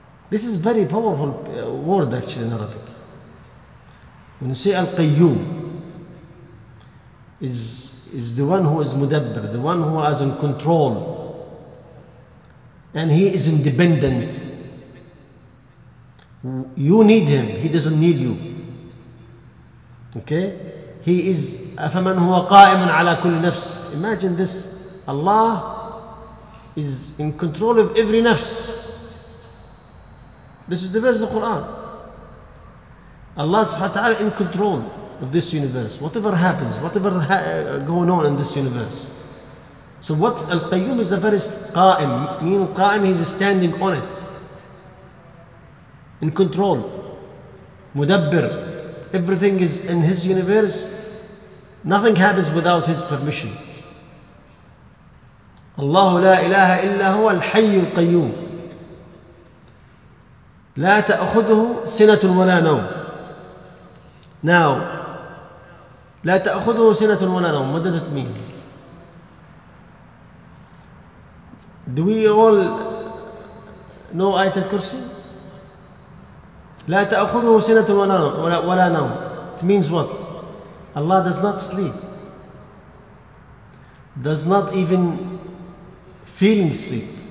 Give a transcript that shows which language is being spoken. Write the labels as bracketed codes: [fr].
[en] This is a very powerful word actually in Arabic. When you say Al-Qayyum, is the one who is mudabbir, the one who has in control, and he is independent. You need him, he doesn't need you. Okay? He is [ar] أَفَمَنْ هُوَ قَائِمٌ عَلَىٰ كُلِّ نَفْسٍ. [en] Imagine this. Allah is in control of every nafs. This is the verse of the Quran. Allah subhanahu wa ta'ala in control of this universe. Whatever happens, whatever going on in this universe. So what Al-Qayyum is the verse قائم. Meaning قائم, he's standing on it. In control. مدبر. Everything is in his universe. Nothing happens without his permission. [ar] الله لا إله إلا هو الحي القيوم لا تأخذه سنة ولا نوم. Now, لا تأخذه سنة ولا نوم. [en] What does it mean? Do we all know آية الكرسي? [ar] لا تأخذه سنة ولا نوم. [en] It means what? Allah does not sleep. Does not even feeling sleep.